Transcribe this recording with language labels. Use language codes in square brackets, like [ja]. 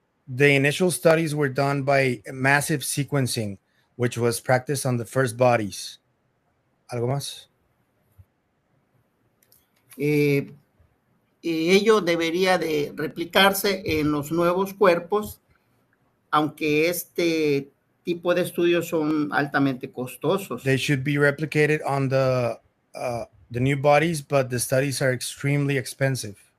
[en] The initial studies were done by massive sequencing, which was practiced on the first bodies. [es] ¿Algo más? Y ello debería de replicarse en los nuevos cuerpos, aunque este tipo de estudios son altamente costosos. [en] They should be replicated on the new bodies, but the studies are extremely expensive.